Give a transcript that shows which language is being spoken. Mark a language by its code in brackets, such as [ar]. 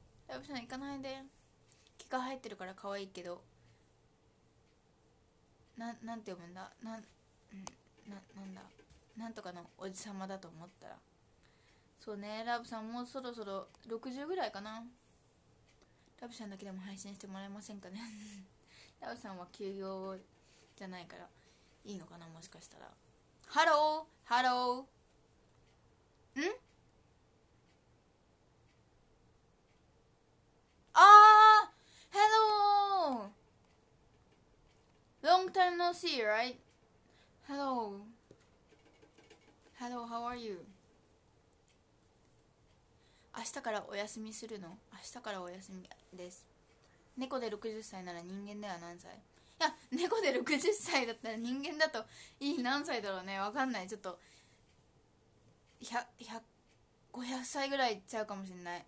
[ja] ラブさん行かないで、毛が生えてるから可愛いけど、なんて呼ぶんだ、なんだ、なんとかのおじさまだと思ったら、そうね、ラブさんもうそろそろ60ぐらいかな。ラブさんだけでも配信してもらえませんかね。ラブさんは休業じゃないからいいのかな、もしかしたら。 [en] ハロー、ハロー、ん、あー、ハロー、 Long time no see, right? ハロー、ハロー、 How are you? [ja] 明日からお休みするの？明日からお休みです。猫で60歳なら人間では何歳？いや、猫で60歳だったら人間だといい、何歳だろうね、わかんない、ちょっと500歳ぐらいいっちゃうかもしれない。